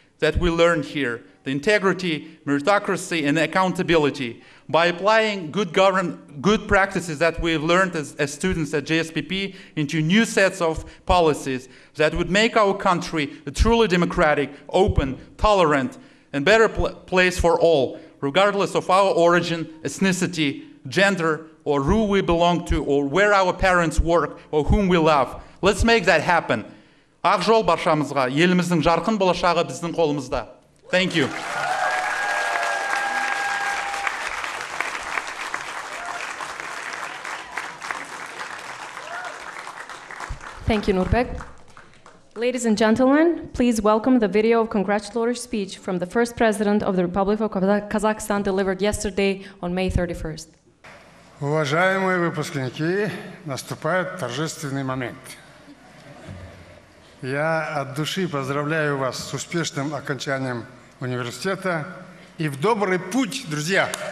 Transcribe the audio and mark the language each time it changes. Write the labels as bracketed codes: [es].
[en] that we learned here, the integrity, meritocracy, and accountability, by applying good practices that we've learned as students at GSPP into new sets of policies that would make our country a truly democratic, open, tolerant, and better place for all, regardless of our origin, ethnicity, gender, or who we belong to, or where our parents work, or whom we love. Let's make that happen. [kk] Ақжол баршамызға, еліміздің жарқын болашағы біздің қолымызда. [en] Thank you. Thank you, Nurbek. Ladies and gentlemen, please welcome the video of congratulatory speech from the first president of the Republic of Kazakhstan delivered yesterday on May 31st. [ru] Уважаемые выпускники, наступает торжественный момент. Я от души поздравляю вас с успешным окончанием университета и в добрый путь, друзья!